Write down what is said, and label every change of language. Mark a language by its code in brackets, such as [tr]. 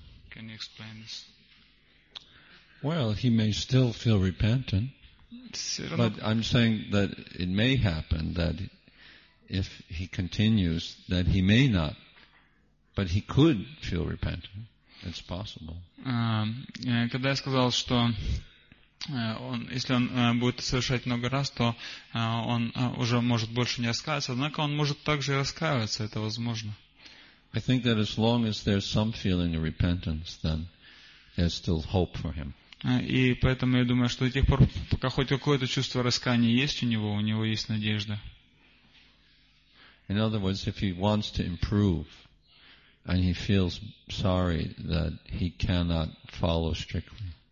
[en] Can you explain this? Well, he may still feel repentant, but I'm saying that it may happen that if he continues, that he may not, but he could feel repentant. It's possible. [ru] Когда я сказал, что он, если он будет совершать много раз, то он уже может больше не раскаиваться, однако он может также и раскаиваться, это возможно. [en] I think that as long as there's some feeling of repentance, then there's still hope for him. [ru] И поэтому я думаю, что до тех пор, пока хоть какое-то чувство раскаяния есть у него есть надежда. [en] In other words, if he wants to improve, and he feels sorry that he cannot follow strictly.